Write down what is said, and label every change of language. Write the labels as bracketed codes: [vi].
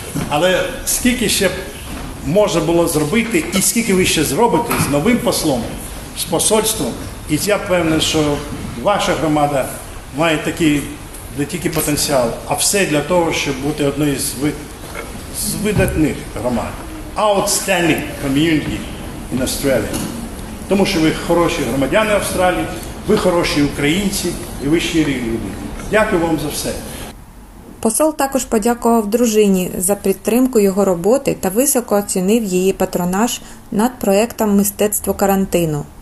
[uk] Але скільки ще можна було зробити, і скільки ви ще зробите з новим послом, з посольством, і я певний, що ваша громада має такий не тільки потенціал, а все для того, щоб бути одною з видатних громад. [en] Outstanding community in Australia. [uk] Тому що ви хороші громадяни Австралії, ви хороші українці і ви щирі люди. Дякую вам за все. Посол також подякував дружині за підтримку його роботи та високо оцінив її патронаж над проєктом «Мистецтво карантину».